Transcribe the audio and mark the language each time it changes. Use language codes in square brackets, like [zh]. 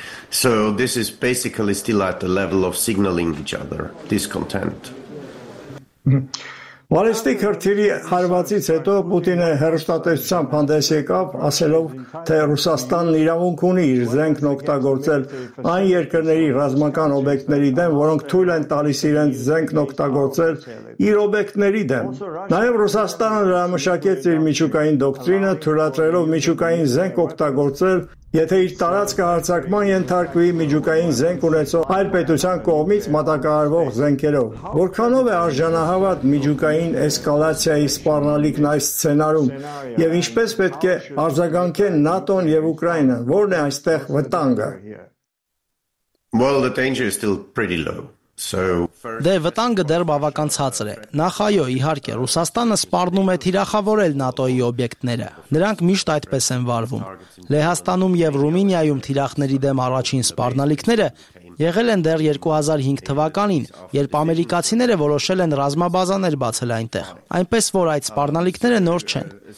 [en] So this is basically still at the level of signaling each other discontent. [hy] Բալիստիկ հրթիռի հարվածից հետո Պուտինը հեռուստատեսությամբ հանդես եկավ, ասելով, թե Ռուսաստանն իրավունք ունի իր զենքն օգտագործել այն երկրների ռազմական օբյեկտների դեմ, որոնք թույլ են տալիս իրենց զենքն օգտագործել իր օբյեկտների դեմ։ Նաև Ռուսաստանը հրամշակեց իր միջուկային դոկտրինը, թույլատրելով միջուկային զենք օգտագործել, եթե իր տարածքը հարձակման ենթարկվի միջուկային զենք ունեցող այլ պետության կողմից մատակարարվող զենքերով։ Որքանով է արժանահավատ միջուկային էսկալացիայի սպառնալիքն այս սցենարում, և ինչպես պետք է արձագանքեն ՆԱՏՕ-ն և Ուկրաինան, որն է այստեղ վտանգը։ [en] Well, the danger is still pretty low. So, [hy] դե վտանգը դեռ բավական ցածր է։ Նախ այո, իհարկե, Ռուսաստանը սպառնում է թիրախավորել ՆԱՏՕ-ի օբյեկտները։ Նրանք միշտ այդպես են վարվում։ Լեհաստանում և Ռումինիայում թիրախների դեմ առաջին սպառնալիքները եղել են դեռ 2005 թվականին, երբ ամերիկացիները որոշել են ռազմաբազաներ բացել այնտեղ։ Այնպես որ այդ սպառնալիքները նոր չեն։